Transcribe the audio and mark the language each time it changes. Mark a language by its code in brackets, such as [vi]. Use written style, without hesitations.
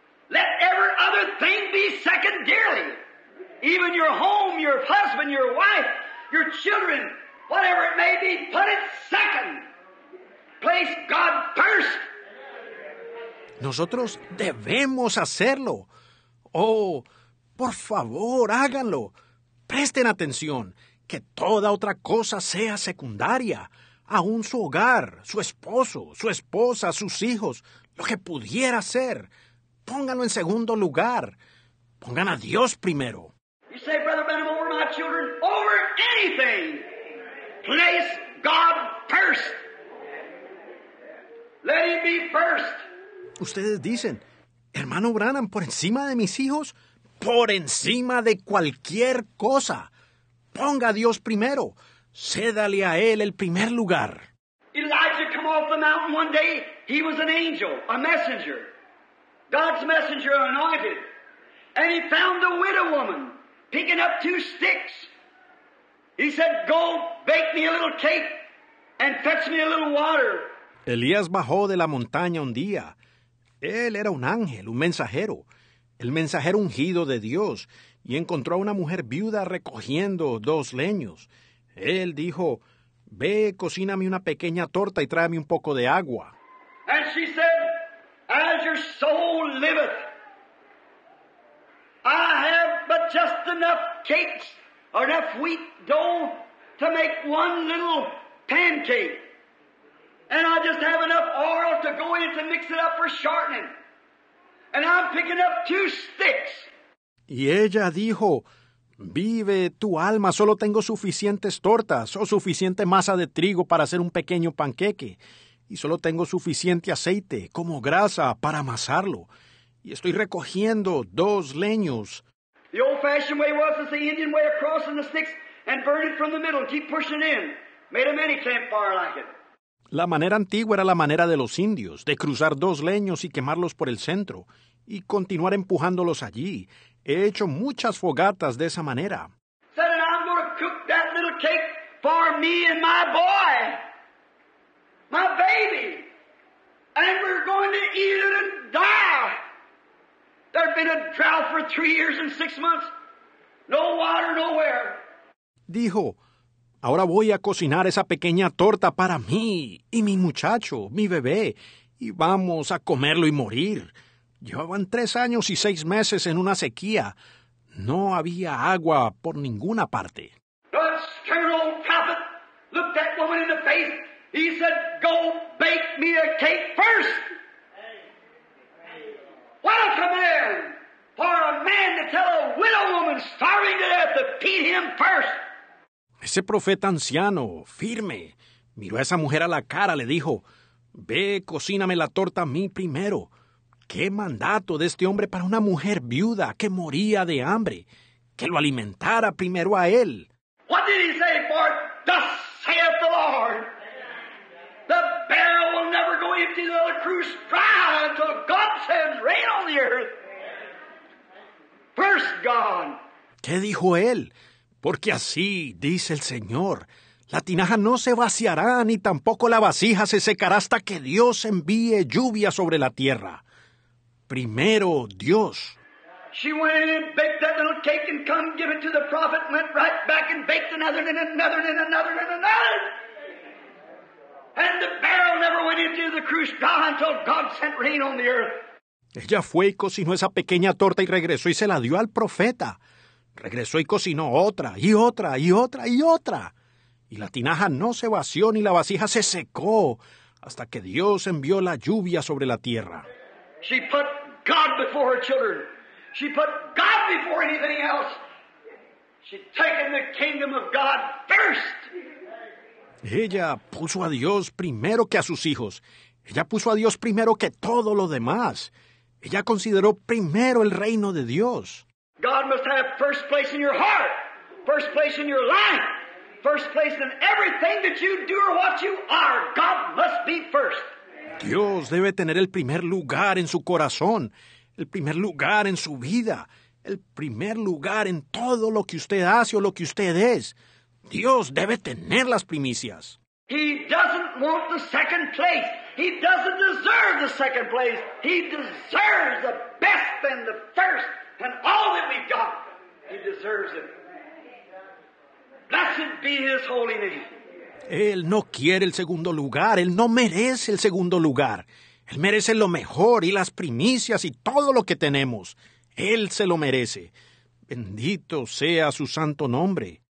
[en] Let every other thing be secondary. Even your home, your husband, your wife, your children, whatever it may be, put it second. Place God first. [es] Nosotros debemos hacerlo. Oh, por favor, háganlo. Presten atención, que toda otra cosa sea secundaria. Aún su hogar, su esposo, su esposa, sus hijos, lo que pudiera ser. Pónganlo en segundo lugar. Pongan a Dios primero. [en] You say, Brother Benham, over my children, over anything. Place God first. Let him be first. [es] Ustedes dicen, hermano Branham, por encima de mis hijos, por encima de cualquier cosa. Ponga a Dios primero. Cédale a Él el primer lugar. [en] Elijah came off the mountain one day. He was an angel, a messenger. God's messenger anointed. And he found a widow woman picking up two sticks. He said, go bake me a little cake and fetch me a little water. [es] Elías bajó de la montaña un día. Él era un ángel, un mensajero, el mensajero ungido de Dios, y encontró a una mujer viuda recogiendo dos leños. Él dijo, ve, cocíname una pequeña torta y tráeme un poco de agua. [en] And she said, as your soul liveth, I have but just enough cakes, or enough wheat dough to make one little pancake. And I just have enough oil to go in to mix it up for shortening. And I'm picking up two sticks. [es] Y ella dijo, vive tu alma, solo tengo suficientes tortas o suficiente masa de trigo para hacer un pequeño panqueque. Y solo tengo suficiente aceite como grasa para amasarlo. Y estoy recogiendo dos leños. [en] The old-fashioned way was, it's the Indian way of crossing the sticks and burn it from the middle. Keep pushing in. Made a many campfire like it. [es] La manera antigua era la manera de los indios, de cruzar dos leños y quemarlos por el centro, y continuar empujándolos allí. He hecho muchas fogatas de esa manera. [en] Said, I'm going to cook that little cake for me and my boy, my baby, and we're going to eat it and die. There's been a drought for 3 years and 6 months. No water nowhere. [es] Dijo, ahora voy a cocinar esa pequeña torta para mí y mi muchacho, mi bebé, y vamos a comerlo y morir. Llevaban 3 años y 6 meses en una sequía. No había agua por ninguna parte. [en] The stern old prophet looked that woman in the face. He said, go bake me a cake first. What a command for a man to tell a widow woman starving to death to feed him first. [es] Ese profeta anciano, firme, miró a esa mujer a la cara, le dijo, ve, cocíname la torta a mí primero. ¿Qué mandato de este hombre para una mujer viuda que moría de hambre? Que lo alimentara primero a él. [en] What did he say? For thus saith the Lord, the barrel will never go empty, though the cruse dry until God sends rain on the earth. First God. [es] ¿Qué dijo él? Porque así, dice el Señor, la tinaja no se vaciará ni tampoco la vasija se secará hasta que Dios envíe lluvia sobre la tierra. Primero, Dios. [en] She went and baked that little cake and come give it to the prophet and went right back and baked another and another and another and another. And the barrel never went into the cruse dry until God sent rain on the earth. [es] Ella fue y cocinó esa pequeña torta y regresó y se la dio al profeta. Regresó y cocinó otra, y otra, y otra, y otra. Y la tinaja no se vació ni la vasija se secó hasta que Dios envió la lluvia sobre la tierra. [en] She put God before her children. She put God before anything else. She'd taken the kingdom of God first. [es] Ella puso a Dios primero que a sus hijos. Ella puso a Dios primero que todo lo demás. Ella consideró primero el reino de Dios. [en] God must have first place in your heart, first place in your life, first place in everything that you do or what you are. God must be first. [es] Dios debe tener el primer lugar en su corazón, el primer lugar en su vida, el primer lugar en todo lo que usted hace o lo que usted es. Dios debe tener las primicias. [en] He doesn't want the second place. He doesn't deserve the second place. He deserves the best and the first and all that we've got. He deserves it. Blessed be his holy name. [es] Él no quiere el segundo lugar. Él no merece el segundo lugar. Él merece lo mejor y las primicias y todo lo que tenemos. Él se lo merece. Bendito sea su santo nombre.